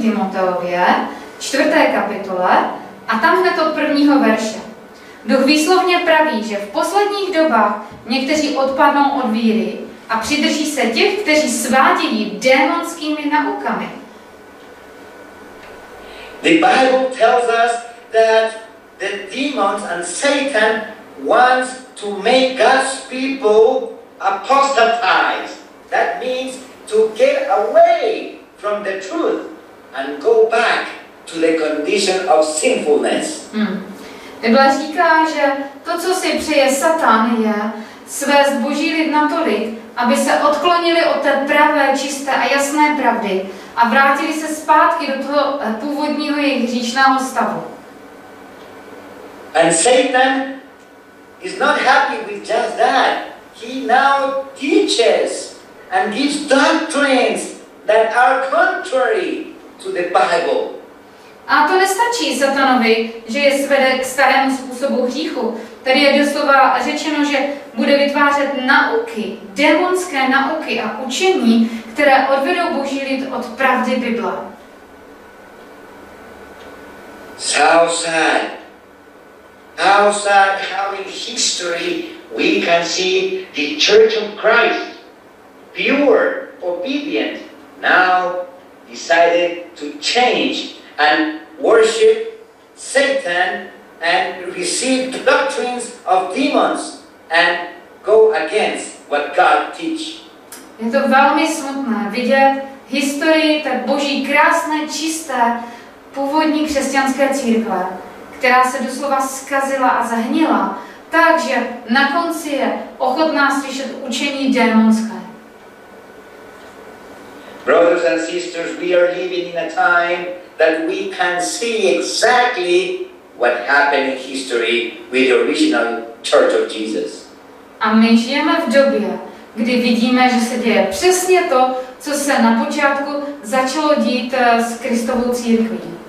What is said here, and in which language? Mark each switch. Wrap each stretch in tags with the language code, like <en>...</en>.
<cs>Timoteově, 4. kapitole, a tam hned od 1. verše. Duch výslovně praví, že v posledních dobách někteří odpadnou od víry a přidrží se těch, kteří svádějí démonskými naukami.</cs> <en>The Bible tells us that the demons and Satan wants to make God's people apostatize. That means to get away from the truth and go back to the condition of sinfulness.</en> <cs>Bible říká, že to, co si přeje Satan, je svést Boží lid natolik, aby se odklonili od té pravé, čisté a jasné pravdy a vrátili se zpátky do toho původního jejich hříšného stavu.</cs> <en>And Satan is not happy with just that. He now teaches and gives doctrines that are contrary to the Bible.</en> <cs>A to nestačí Satanovi, že je svede k starému způsobu hříchu. Tady je doslova řečeno, že bude vytvářet nauky, démonské nauky a učení, které odvedou Boží lid od pravdy Bible.</cs> <en>So sad. How sad, how in history we can see the Church of Christ, pure, obedient, now decided to change and worship Satan and receive doctrines of demons and go against what God teach.</en> <cs>Je to velmi smutné vidět historii té Boží krásné, čisté, původní křesťanské církve, která se doslova zkazila a zahnila, takže na konci je ochotná slyšet učení démonské.</cs> <en>Brothers and sisters, we are living in a time that we can see exactly what happened in history with the original Church of Jesus.</en> <cs>A my žijeme v době, kdy vidíme, že se děje přesně to, co se na počátku začalo dít s Kristovou církví.</cs>